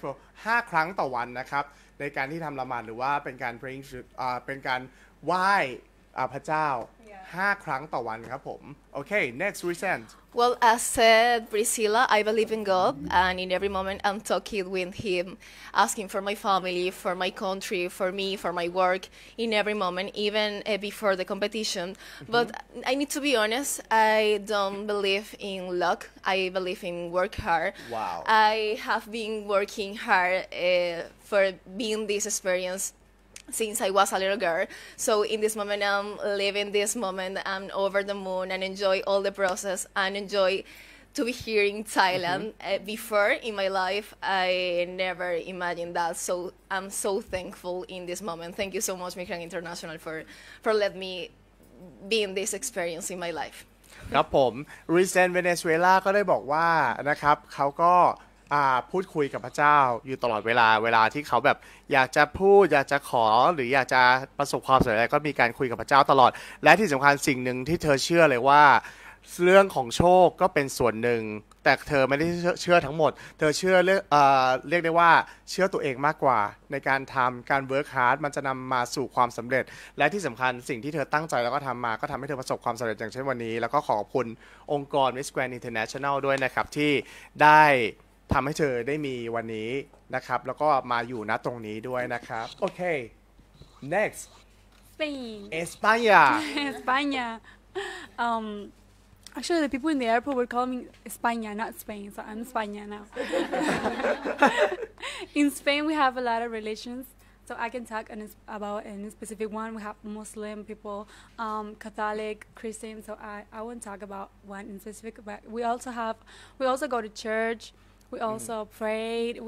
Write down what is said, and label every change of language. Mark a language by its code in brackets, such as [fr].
[en] For 5 times per day, [th] นะครับในการที่ทำละหมาดหรือว่าเป็นการ praying เป็นการไหว้พระเจ้า [en] 5 times per day, [th] ครับผม. [en] Okay, next reason. Well, as said Priscilla, I believe in God, and in every moment I'm talking with Him, asking for my family, for my country, for me, for my work, in every moment, even before the competition. Mm-hmm. But I need to be honest, I don't believe in luck. I believe in work hard. Wow. I have been working hard for being this experience since I was a little girl. So in this moment, I'm living this moment. I'm over the moon and enjoy all the process and enjoy to be here in Thailand. Mm-hmm. Before in my life, I never imagined that. So I'm so thankful in this moment. Thank you so much, Mikrang International, for letting me be in this experience in my life. [th] ครับผม Recent Venezuela ก็ได้บอกว่านะครับเขาก็พูดคุยกับพระเจ้าอยู่ตลอดเวลาเวลาที่เขาแบบอยากจะพูดอยากจะขอหรืออยากจะประสบความสำเร็จอะไรก็มีการคุยกับพระเจ้าตลอดและที่สำคัญสิ่งหนึ่งที่เธอเชื่อเลยว่าเรื่องของโชคก็เป็นส่วนหนึ่งแต่เธอไม่ได้เชื่อทั้งหมดเธอเชื่อ เรียกได้ว่าเชื่อตัวเองมากกว่าในการทำการเวิร์กฮาร์ดมันจะนำมาสู่ความสำเร็จและที่สำคัญสิ่งที่เธอตั้งใจแล้วก็ทำมาก็ทำให้เธอประสบความสำเร็จอย่างเช่นวันนี้แล้วก็ขอบคุณองค์กร Miss Grand International ด้วยนะครับที่ได้ทำให้เธอได้มีวันนี้นะครับแล้วก็มาอยู่ณตรงนี้ด้วยนะครับโอเค next [en] Spain España España actually the people in the airport were calling me España not Spain so I'm España now in Spain we have a lot of religions so I can talk about a specific one we have Muslim people Catholic Christian so I won't talk about one in specific but we also go to churchWe also prayed.